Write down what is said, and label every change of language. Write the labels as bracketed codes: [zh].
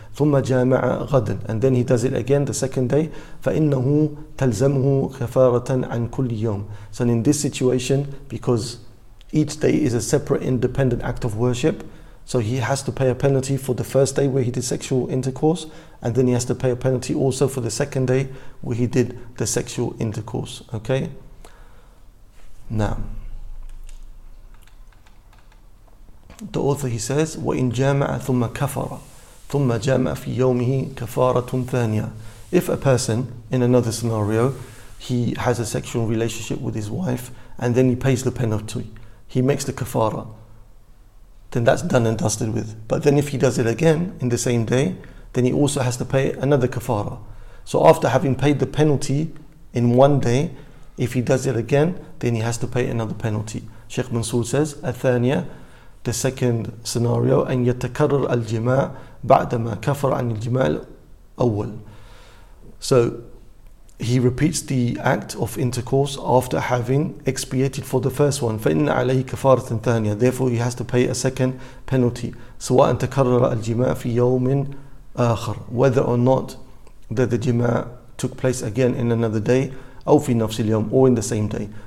[ar] ثم جامع غدا, [en] and then he does it again the second day, [ar] فإنه تلزمه كفارة عن كل يوم. [en] So in this situation, because each day is a separate independent act of worship, so he has to pay a penalty for the first day where he did sexual intercourse, and then he has to pay a penalty also for the second day where he did the sexual intercourse. Okay? Now, the author, he says, [ar] وَإِن جَامَعَ ثُمَّ كَفَرَ ثُمَّ جَامَعَ فِي يَوْمِهِ كَفَارَةٌ ثَانِيَةٌ. [en] If a person, in another scenario, he has a sexual relationship with his wife, and then he pays the penalty, he makes the kafara, then that's done and dusted with. But then if he does it again in the same day, then he also has to pay another kafara. So after having paid the penalty in one day, if he does it again, then he has to pay another penalty. Sheikh Mansour says, [ar] الثانية, [en] the second scenario, [ar] أن يتكرر الجماع بعدما كفر عن الجماع الأول. [en] So he repeats the act of intercourse after having expiated for the first one. [ar] فَإِنَّ عَلَيْهِ كَفَارَةً ثَانِيَةً. [en] Therefore, he has to pay a second penalty. [ar] سَوَاءً تَكَرَّرَ الْجِمَاعَ فِي يَوْمٍ آخَرٍ. [en] Whether or not that the jima took place again in another day, [ar] أو فِي نَفْسِ الْيَوْمِ, [en] or in the same day.